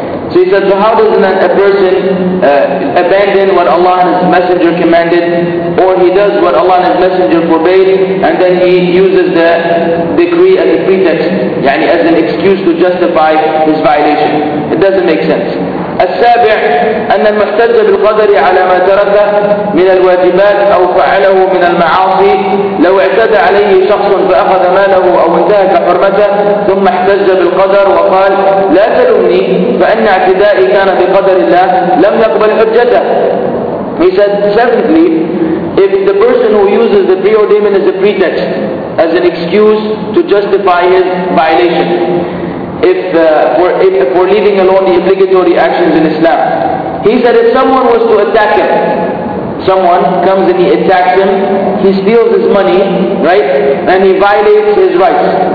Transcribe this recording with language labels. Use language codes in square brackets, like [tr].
[en] So he said, so how does a person abandon what Allah and His Messenger commanded, or he does what Allah and His Messenger forbade, and then he uses the decree as a pretext, yani as an excuse to justify his violation? It doesn't make sense. [ar] السابع أن المحتج بالقدر على ما ترك من الواجبات أو فعله من المعاصي لو اعتدى عليه شخص فأخذ ماله أو انتهك حرمته ثم احتج بالقدر وقال لا تلومني فإن اعتدائي كان بقدر الله لم يقبل حجته. [en] He said, seventhly, if the person who uses the preordainment as a pretext, as an excuse to justify his violation, if for leaving alone the obligatory actions in Islam, he said, if someone was to attack him, someone comes and he attacks him, he steals his money, right, and he violates his rights,